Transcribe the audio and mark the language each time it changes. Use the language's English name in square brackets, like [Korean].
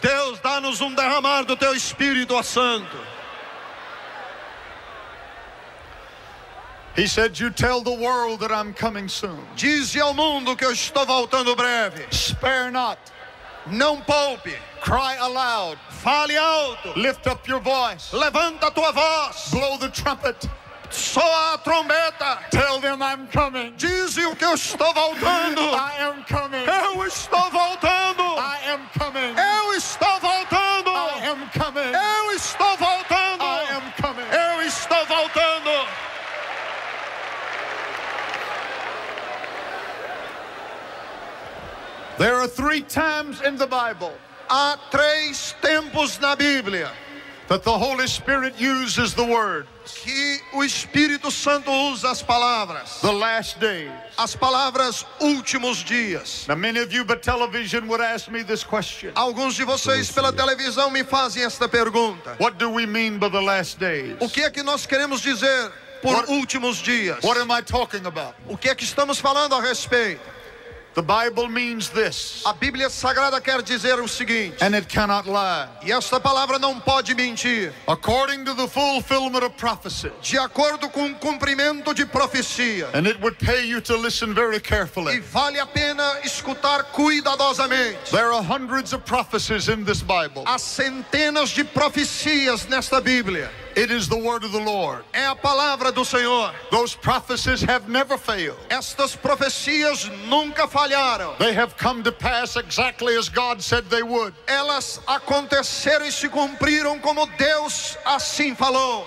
[Portuguese] Deus dá-nos derramar do teu Espírito Santo. [English] He said, "You tell the world that I'm coming soon." [Portuguese] Diz ao mundo que eu estou voltando breve. [English] Spare not. [Portuguese] Não poupe. [English] Cry aloud. [Portuguese] Fale alto. [English] Lift up your voice. [Portuguese] Levanta a tua voz. [English] Blow the trumpet. [Portuguese] Soa a trombeta. [English] Tell them I'm coming. [Portuguese] Diz-lhe que eu estou voltando. [English] I am coming. [Portuguese] Eu estou voltando. [English] I am coming. [Portuguese] Eu estou voltando. [English] I am coming. [Portuguese] Eu estou voltando. [English] I am coming. [Portuguese] Eu estou voltando. [English] There are three times in the Bible. [Portuguese] Há três tempos na Bíblia. [English] That the Holy Spirit uses the word. [Portuguese] Que o Espírito Santo usa as palavras. [English] The last days. [Portuguese] As palavras últimos dias. [English] Now many of you by television would ask me this question. [Portuguese] Alguns de vocês pela televisão me fazem esta pergunta. [English] What do we mean by the last days? [Portuguese] O que é que nós queremos dizer por últimos dias? [English] What am I talking about? [Portuguese] O que é que estamos falando a respeito? [English] The Bible means this. [Portuguese] A Bíblia Sagrada quer dizer o seguinte. [English] And it cannot lie. [Portuguese] E esta palavra não pode mentir. [English] According to the fulfillment of prophecy. [Portuguese] De acordo com o cumprimento de profecia. [English] And it would pay you to listen very carefully. [Portuguese] E vale a pena escutar cuidadosamente. [English] There are hundreds of prophecies in this Bible. [Portuguese] Há centenas de profecias nesta Bíblia. [English] It is the word of the Lord. [Portuguese] É a palavra do Senhor. [English] Those prophecies have never failed. [Portuguese] Estas profecias nunca falharam. [English] They have come to pass exactly as God said they would. [Portuguese] Elas aconteceram e se cumpriram como Deus assim falou.